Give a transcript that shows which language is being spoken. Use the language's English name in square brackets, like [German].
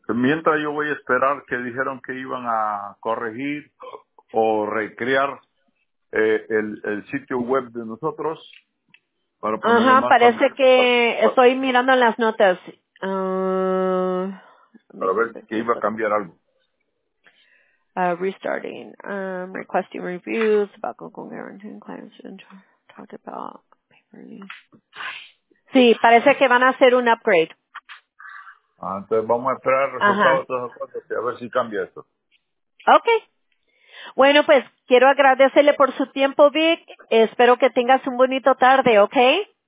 [Spanish] Mientras yo voy a esperar que dijeron que iban a corregir o recrear el sitio web de nosotros. Para ajá, parece también. Que estoy mirando las notas. Para ver que iba a cambiar algo. [English] Restarting, requesting reviews about Google Guarantee clients and talk about paperless. [Spanish] Sí, parece que van a hacer un upgrade. Ah, entonces vamos a esperar resultados a ver si cambia eso. Okay. Bueno, pues quiero agradecerle por su tiempo, Vic. Espero que tengas un bonito tarde, ¿okay?